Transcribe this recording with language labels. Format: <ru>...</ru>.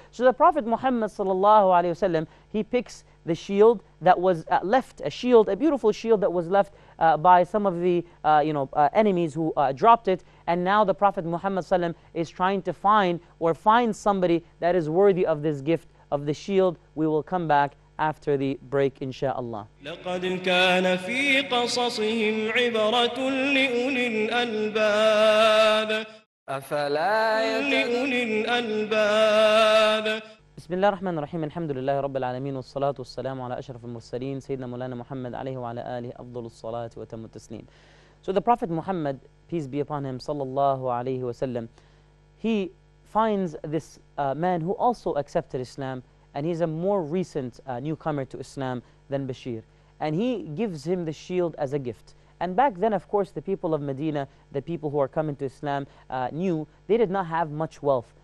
<en>So the Prophet Muhammad sallallahu alayhi wa sallam, he picks the shield that was left, a beautiful shield that was left by some of the enemies who dropped it. And now the Prophet Muhammad sallam is trying to find somebody that is worthy of this gift of the shield. We will come back after the break, insha'Allah.</en> <ar>لقد كان في قصصهم عبرة لأولي الألباب. أفلا لأولي الألباب. بسم الله الرحمن الرحيم. الحمد لله رب العالمين والصلاة والسلام على أشرف المرسلين سيدنا مولانا محمد عليه وعلى آله أفضل الصلاة وتم التسليم.</ar> <en>So the Prophet Muhammad, peace be upon him,</en> <ar>صلى الله عليه وسلم,</ar> <en>he finds this man who also accepted Islam. And he's a more recent newcomer to Islam than Bashir. And he gives him the shield as a gift. And back then, of course, the people of Medina, the people who are coming to Islam, knew they did not have much wealth.</en>